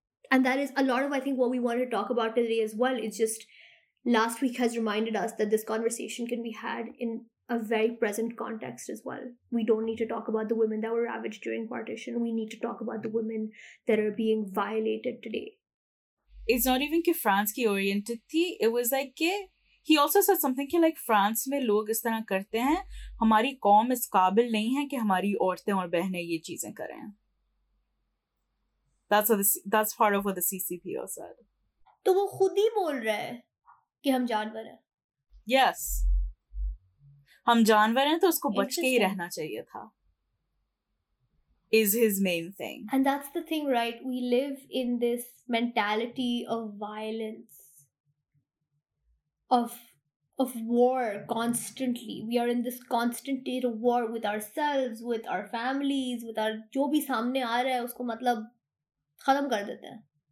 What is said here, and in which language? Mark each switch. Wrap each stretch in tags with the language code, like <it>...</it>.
<en>And that is a lot of, I think, what we want to talk about today as well. It's just last week has reminded us that this conversation can be had in a very present context as well. We don't need to talk about the women that were ravaged during partition. We need to talk about the women that are being violated today. It's not even that France was oriented. It was like, he also said something that like France,</en> <ur>میں لوگ اس طرح کرتے ہیں۔ ہماری قوم اس قابل نہیں ہے کہ ہماری عورتیں اور بہنیں یہ چیزیں کریں۔</ur> <en>That's part of what the CCPO said.</en> <ur>To wo khud hi bol raha hai ki hum janwar hain.</ur> <en>Yes.</en> <ur>ہم جانور ہیں تو اس کو بچ کے ہی رہنا چاہیے تھا۔</ur> <en>Is his main thing. And that's the thing, right? We live in this mentality of violence, of war constantly. We are in this constant state of war with ourselves, with our families, with our</en> <ur>jo bhi samne aa raha hai usko matlab khatam kar dete hain.</ur>